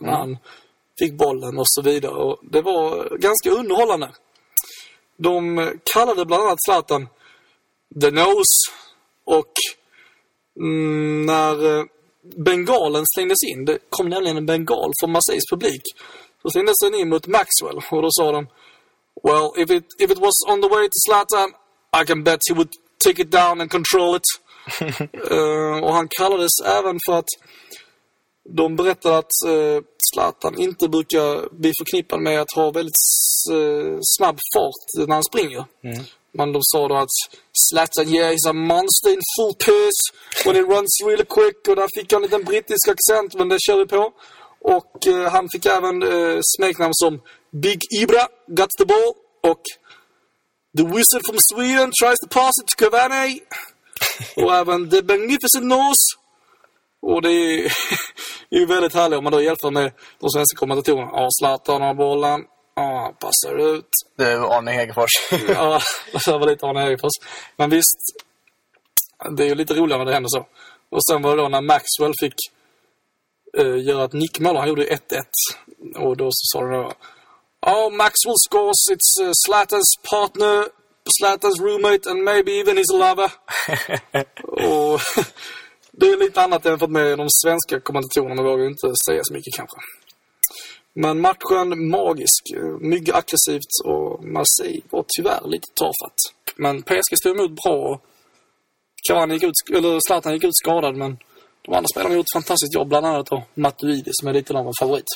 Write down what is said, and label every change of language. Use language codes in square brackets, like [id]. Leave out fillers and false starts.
[sv] Mm. När han fick bollen och så vidare. Och det var ganska underhållande. De kallade bland annat Zlatan The Nose. Och när bengalen slängdes in, det kom nämligen en bengal från Marseilles publik, så slängdes den in mot Maxwell. Och då sa de, [en] well, if it was on the way to Zlatan, I can bet he would take it down and control it. [sv] Och han kallades även för att de berättade att Zlatan inte brukar bli förknippad med att ha väldigt snabb fart när han springer. Mm. Men de sa då att [en] Zlatan, yeah, he's a monster in full pace when he runs really quick. [sv] Och där fick han en liten brittisk accent, men det kör vi på. Och han fick även smeknamn som [en] Big Ibra, got the ball. Och The Wizard from Sweden tries to pass it to Cavani. [sv] Och även The Magnificent Nose. Och det är ju väldigt härligt om man då hjälper med de svenska kommentatorerna. Ja, Zlatan har bollen. Ja, oh, passar ut. Det är Arne Hegerfors. Ja, det var lite Arne Hegerfors. Men visst, det är ju lite roligare när det händer så. Och sen var det då när Maxwell fick göra att Nick Möller, han gjorde 1-1. Och då så sa de då, [en] oh, Maxwell scores, it's Zlatan's partner, Zlatan's roommate and maybe even his lover. [sv] Och det är lite annat än fått med de svenska kommentatorerna, vågar inte säga så mycket kanske. Men matchen magisk, mycket aggressivt och massiv och tyvärr lite tafatt. Men PSG stod emot bra och Cavani gick ut, eller Zlatan gick ut skadad, men de andra spelarna gjort ett fantastiskt jobb, bland annat och Matuidi som är lite av en favorit.